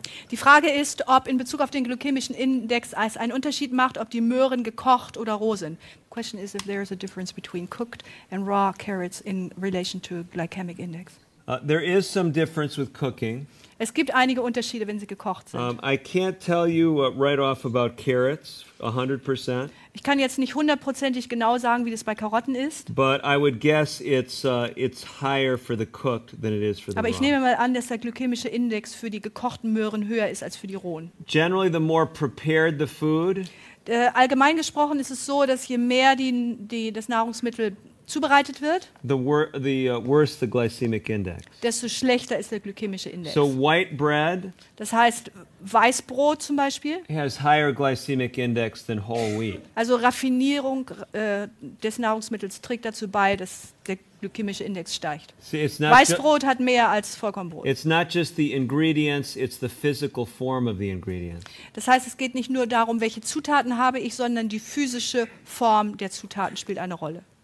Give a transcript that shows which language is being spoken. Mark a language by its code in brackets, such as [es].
[de] Die Frage ist, ob in Bezug auf den glykämischen Index es einen Unterschied macht, ob die Möhren gekocht oder roh sind. [en] The question is if there is a difference between cooked and raw carrots in relation to glycemic index. There is some difference with cooking. [de] Es gibt einige Unterschiede, wenn sie gekocht sind. [en] I can't tell you right off about carrots 100%. [de] Ich kann jetzt nicht hundertprozentig genau sagen, wie das bei Karotten ist. [en] But I would guess it's higher for the cooked than it is for the raw. [de] Aber ich nehme mal an, dass der glykämische Index für die gekochten Möhren höher ist als für die rohen. [en] Generally the more prepared the food. [de] Allgemein gesprochen ist es so, dass je mehr das Nahrungsmittel zubereitet wird, [en] worse the glycemic index. [de] Desto schlechter ist der glykämische Index. [en] So white bread, [de] das heißt, Weißbrot zum Beispiel, [en] has higher glycemic index than whole wheat. [de] Also Raffinierung des Nahrungsmittels trägt dazu bei, dass der glykämische Index steigt. [en] See, it's not [de] Weißbrot hat mehr als Vollkornbrot. [en] It's not just the ingredients, it's the physical form of the ingredients. [de] Das heißt, es geht nicht nur darum, welche Zutaten habe ich, sondern die physische Form der Zutaten spielt eine Rolle.